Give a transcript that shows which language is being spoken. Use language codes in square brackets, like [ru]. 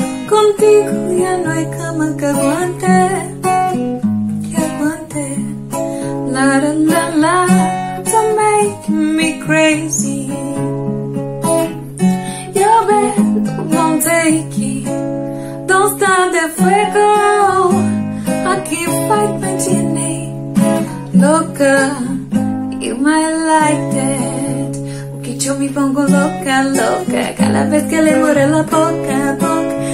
[es] Contigo ya no hay cama que aguante, que aguante. [en] La la la la, don't make me crazy. Your bed won't take it. Don't start the fuego. I can't fight my genie. Loca, you might like that. [es] O que yo me pongo loca, loca. Cada vez que le muero la boca, boca.